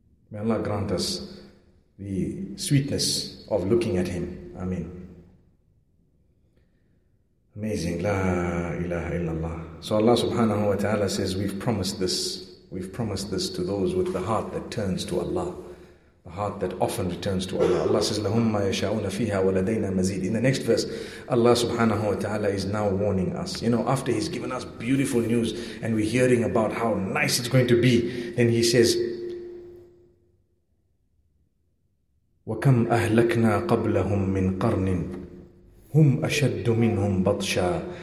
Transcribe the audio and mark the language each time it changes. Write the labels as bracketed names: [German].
[English] May Allah grant us the sweetness of looking at Him. Ameen. Amazing. La ilaha illallah. So Allah subhanahu wa ta'ala says, we've promised this. We've promised this to those with the heart that turns to Allah. The heart that often returns to Allah. Allah says, [Arabic] لَهُمَّ يَشَاءُونَ فِيهَا وَلَدَيْنَا مَزِيدٍ. [English] In the next verse, Allah subhanahu wa ta'ala is now warning us. You know, after He's given us beautiful news and we're hearing about how nice it's going to be, then He says, [Arabic] وَكَمْ أَهْلَكْنَا قَبْلَهُمْ مِنْ قَرْنٍ هُمْ أَشَدُّ مِنْهُمْ بَطْشًا.